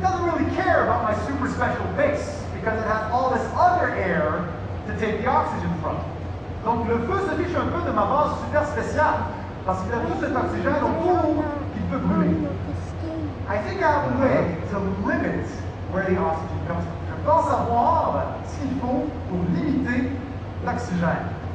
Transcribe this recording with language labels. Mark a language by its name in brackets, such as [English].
[English] doesn't really care about my super special base because it has all this other air to take the oxygen from. [French] Donc le feu se fiche un peu de ma base super spéciale parce qu'il a tout cet oxygène autour qu'il peut brûler. [English] I think I have a way to limit where the oxygen comes from. [French] Je pense savoir ce qu'il faut pour limiter l'oxygène.